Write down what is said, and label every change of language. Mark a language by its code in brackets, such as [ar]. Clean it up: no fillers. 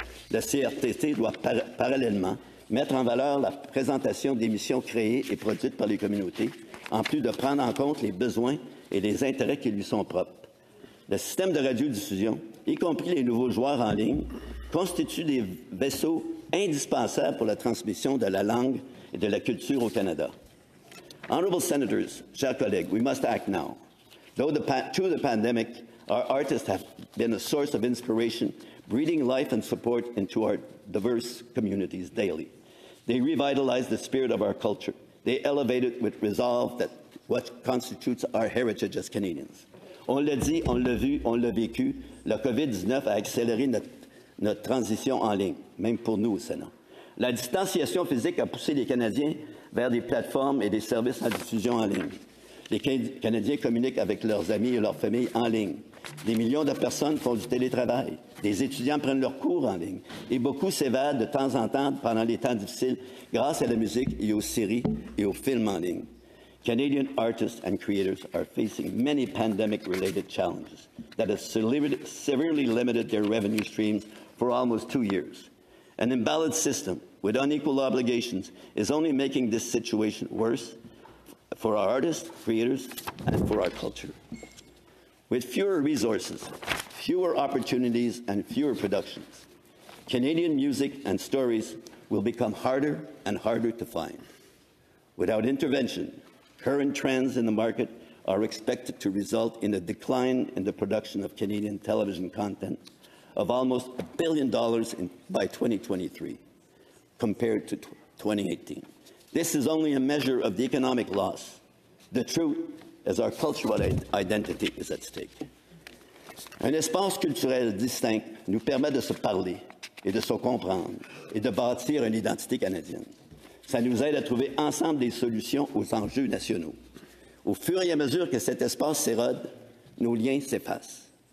[fr] Le CRTC doit parallèlement mettre en valeur la présentation d'émissions créées et produites par les communautés, en plus de prendre en compte les besoins et les intérêts qui lui sont propres. Le système de radiodiffusion, y compris les nouveaux joueurs en ligne, constitue des vaisseaux indispensables pour la transmission de la langue et de la culture au Canada. [en] Honorable senators, [fr] chers collègues, [en] we must act now. Through the pandemic, our artists have been a source of inspiration, breathing life and support into our diverse communities daily. They revitalized the spirit of our culture. They elevated with resolve that what constitutes our heritage as Canadians. [fr] On l'a dit, on l'a vu, on l'a vécu. La COVID-19 a accéléré notre transition en ligne, même pour nous au Sénat. La distanciation physique a poussé les Canadiens vers des plateformes et des services en diffusion en ligne. les Canadiens communiquent avec leurs amis et leurs familles en ligne. Des millions de personnes font du télétravail. Des étudiants prennent leurs cours en ligne. Et beaucoup s'évadent de temps en temps pendant les temps difficiles grâce à la musique et aux séries et aux films en ligne. [en] Canadian artists and creators are facing many pandemic-related challenges that have severely limited their revenue streams for almost 2 years. An imbalanced system with unequal obligations is only making this situation worse for our artists, creators, and for our culture. With fewer resources, fewer opportunities, and fewer productions, Canadian music and stories will become harder and harder to find. Without intervention, current trends in the market are expected to result in a decline in the production of Canadian television content of almost $1 billion by 2023 compared to 2018. This is only a measure of the economic loss. The truth is our cultural identity is at stake. [fr] Un espace culturel distinct nous permet de se parler et de se comprendre et de bâtir une identité canadienne. Ça nous aide à trouver ensemble des solutions aux enjeux nationaux. Au fur et à mesure que cet espace s'érode, nos liens s'effacent.